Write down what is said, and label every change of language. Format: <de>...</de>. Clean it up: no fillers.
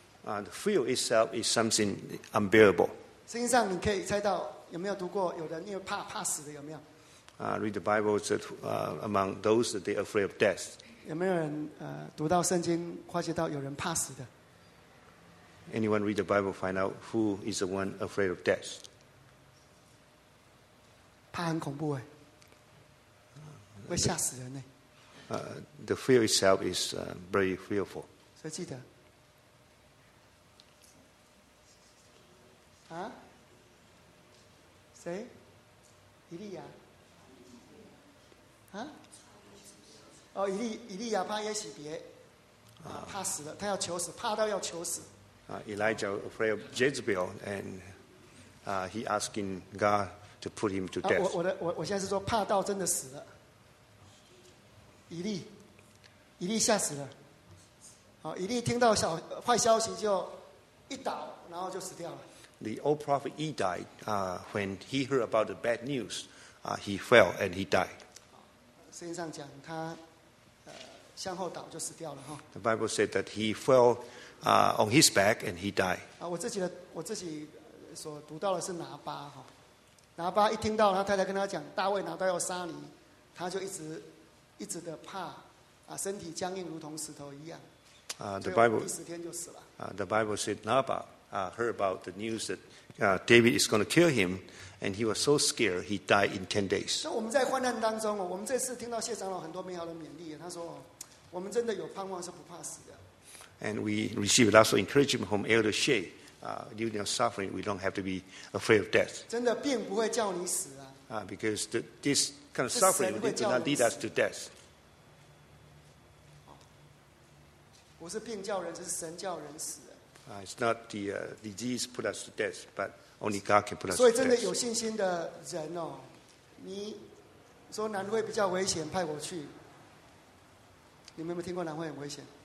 <en>The fear itself is something unbearable.</en> <zh>实际上，你可以猜到有没有读过有人因为怕死的有没有？</zh> <en>Read the Bible that among those that they are afraid of death.</en> <zh>有没有人读到圣经发觉到有人怕死的？</zh> <en>Anyone read the Bible find out who is the one afraid of death?</en> <zh>怕很恐怖耶，会吓死人耶。</zh> <en>The fear itself is very fearful.</en> <zh>谁记得？啊？谁？以利亚。</zh> <en>Elijah afraid of Jezebel, and he asking God to put him to death.</en> <zh>我现在是说怕到真的死了。以利。以利吓死了。以利听到小坏消息就一倒，然后就死掉了。</zh> <en>The old prophet E died. When he heard about the bad news, he fell and he died.</en> <zh>圣经上讲他向后倒就死掉了。</zh> <en>The Bible said that he fell on his back and he died.</en> <zh>我自己所读到的是拿巴哈，拿巴一听到他太太跟他讲大卫拿刀要杀你，他就一直的怕啊，身体僵硬如同石头一样。</zh> <en>The Bible</en> <zh>第十天就死了。</zh> <en>The Bible said Nabal heard about the news that David is going to kill him, and he was so scared he died in 10 days.</en> <zh>那我们在患难当中哦，我们这次听到谢长老很多美好的勉励，他说我们真的有盼望是不怕死的。</zh> <en>And we received lots of encouragement from Elder Shea. During our suffering, we don't have to be afraid of death.</en> <zh>真的病不会叫你死啊。</zh> <en>Because this kind of suffering did not lead us to death.</en> <zh>不是病叫人，这是神叫人死。</zh> <en>It's not the disease put us to death, but only God can put us to death.</en> <zh>所以真的有信心的人哦，你说南汇比较危险，派我去。你们有没有听过南汇很危险？</zh>